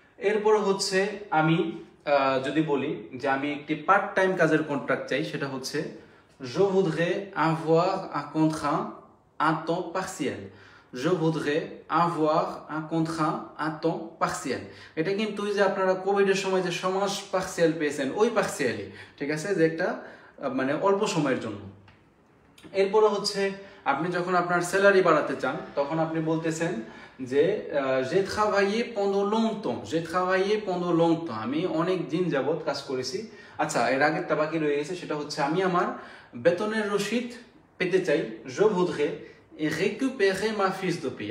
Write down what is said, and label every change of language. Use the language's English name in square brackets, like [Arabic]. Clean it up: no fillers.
[Bangla] এরপর হচ্ছে আমি যদি বলি যে আমি একটি পার্ট টাইম কাজের কন্ট্রাক্ট চাই, সেটা হচ্ছে [French] Je voudrais avoir un contrat à temps partiel. Je voudrais avoir un contrat à temps partiel. Et donc, tu dis après la COVID, je suis en chômage partiel, PSN, oui partiel. Tu sais, c'est que tu as un chômage. Et pour le [Bangla] আপনি যখন আপনার salary বাড়াতে চান তখন আপনি বলতেছেন যে [French] জে ট্রাভাইয়ে পন্দো লং তং, [Bangla] J ট্রাভাইয়ে পন্দো long তং, আমি অনেক দিন যাবত কাজ করেছি। আচ্ছা, এর আগের টা বাকি রয়ে গেছে, সেটা হচ্ছে আমি আমার বেতনের রসিদ পেতে চাই, [French] জো ভুদ্রে রিকুপেরে মা ফিস দো পে।